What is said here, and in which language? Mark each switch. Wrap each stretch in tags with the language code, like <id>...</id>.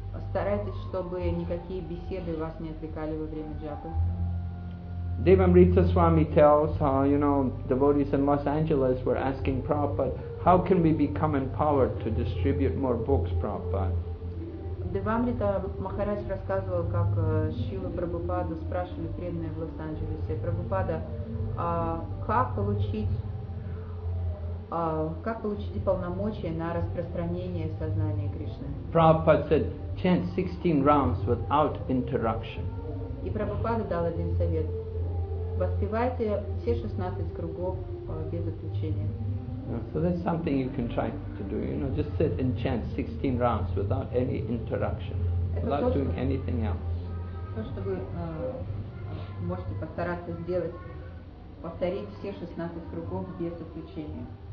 <ru>Старайтесь, чтобы никакие беседы вас не отвлекали во время джапы.</ru> <en>Devamrita Swami tells how, you know, devotees in Los Angeles were asking Prabhupada, how can we become empowered to distribute more books, Prabhupada?</en> <ru>Devamrita Maharaj рассказывал, как Шрила Прабхупада спрашивали преданные в Лос-Анджелесе, Прабхупада, как получить полномочия на распространение сознания Кришны?</ru> <en>Prabhupada said, chant 16 rounds without interruption.</en> <ru>И Прабхупада дал один совет. Воспевайте все 16 кругов без отключения.</ru> <en>So that's something you can try to do, you know, just sit and chant 16 rounds without any interruption, without doing anything else.</en> <ru>То, что вы можете постараться сделать, повторить все 16 кругов без отключения.</ru>